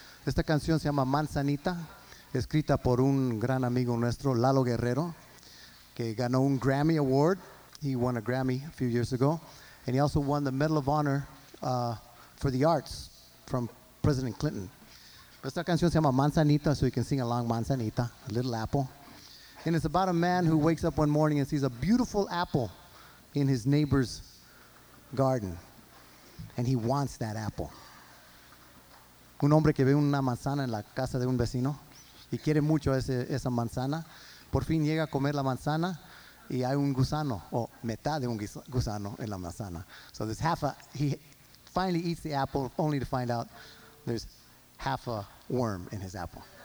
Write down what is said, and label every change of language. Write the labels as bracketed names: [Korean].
[Spanish] Esta canción se llama Manzanita, escrita por un gran amigo nuestro, Lalo Guerrero, que ganó un Grammy Award. [English] He won a Grammy a few years ago. And he also won the Medal of Honor for the Arts from President Clinton. [Spanish] Esta canción se llama [English] Manzanita, so you can sing along Manzanita, a little apple. And it's about a man who wakes up one morning and sees a beautiful apple in his neighbor's garden. And he wants that apple. [Spanish] Un hombre que ve una manzana en la casa de un vecino y quiere mucho esa manzana. Por fin llega a comer la manzana y hay un gusano, o mitad de un gusano en la manzana. [English] So there's half a, he finally eats the apple only to find out there's half a worm in his apple.